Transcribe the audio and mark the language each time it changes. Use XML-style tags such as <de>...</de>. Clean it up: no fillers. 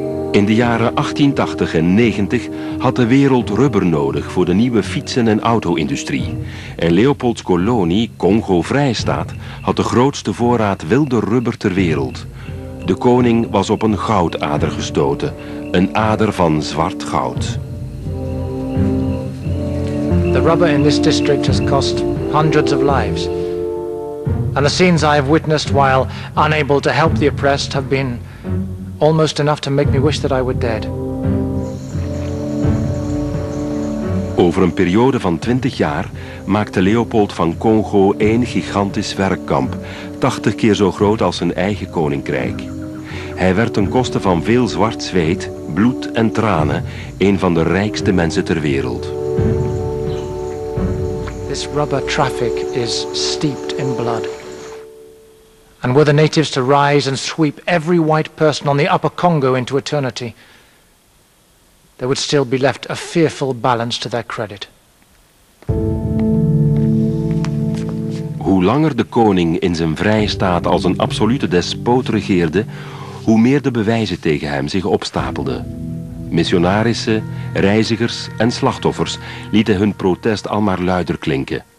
<nl>In de jaren 1880 en 90 had de wereld rubber nodig voor de nieuwe fietsen- en auto-industrie. En Leopolds kolonie, Congo Vrijstaat, had de grootste voorraad wilde rubber ter wereld. De koning was op een goudader gestoten, een ader van zwart goud.</nl> <en>The rubber in this district has cost hundreds of lives. And the scenes I have witnessed while unable to help the oppressed have been almost enough to make me wish that I were dead.</en> <nl>Over een periode van 20 jaar maakte Leopold van Congo één gigantisch werkkamp, 80 keer zo groot als zijn eigen koninkrijk. Hij werd ten koste van veel zwart zweet, bloed en tranen een van de rijkste mensen ter wereld.</nl> <en>This rubber traffic is steeped in blood. And were the natives to rise and sweep every white person on the Upper Congo into eternity, there would still be left a fearful balance to their credit.</en> <nl>Hoe langer de koning in zijn vrije staat als een absolute despoot regeerde, hoe meer de bewijzen tegen hem zich opstapelden. Missionarissen, reizigers en slachtoffers lieten hun protest al maar luider klinken.</nl>